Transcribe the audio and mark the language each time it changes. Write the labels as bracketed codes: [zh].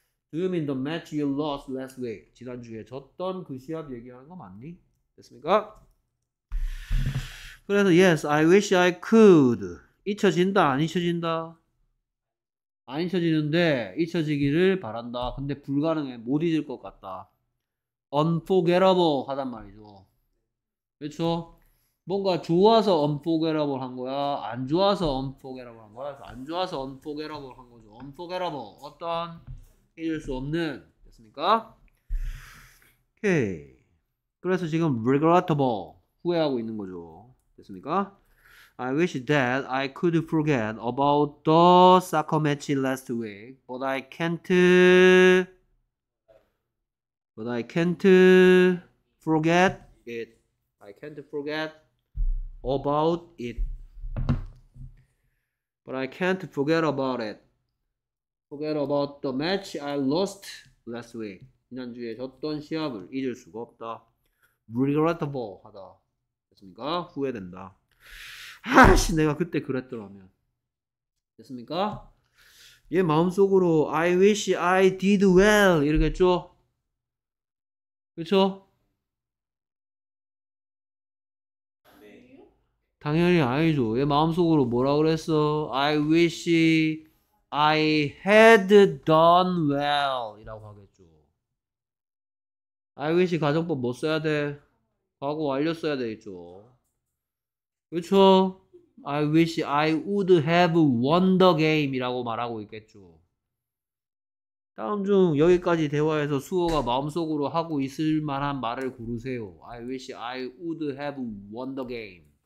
[en] do you mean the match you lost last week. [ko] 지난주에 졌던 그 시합 얘기하는 거 맞니? 됐습니까? 그래서 [en] yes, I wish I could. [ko] 잊혀진다, 안 잊혀진다? 안 잊혀지는데 잊혀지기를 바란다. 근데 불가능해, 못 잊을 것 같다. Unforgettable 하단 말이죠. 그렇죠? 뭔가 좋아서 unforgettable 한 거야? 안 좋아서 unforgettable 한 거야? 안 좋아서 unforgettable 한 거죠. Unforgettable, 어떤 잊을 수 없는, 됐습니까? 오케이. 그래서 지금 regrettable 후회하고 있는 거죠. 됐습니까? [en] I wish that I could forget about the soccer match last week, but I can't. But I can't forget it. I can't forget about it. But I can't forget about it. Forget about the match I lost last week. [ko] 지난주에 졌던 시합을 잊을 수가 없다. Regrettable 하다. 됐습니까? 후회된다. 아씨, 내가 그때 그랬더라면. 됐습니까? 얘 마음속으로 [en] I wish I did well [ko] 이러겠죠? 그렇죠? 당연히 아니죠. 얘 마음속으로 뭐라 그랬어? [en] I wish I had done well [ko] 이라고 하겠죠. [en] I wish [ko] 가정법 뭐 써야 돼? 과거 완료 써야 되겠죠. 그쵸? [en] I wish I would have won the game [ko] 이라고 말하고 있겠죠. 다음 중 여기까지 대화해서 수호가 마음속으로 하고 있을 만한 말을 고르세요. [en] I wish I would have won the game.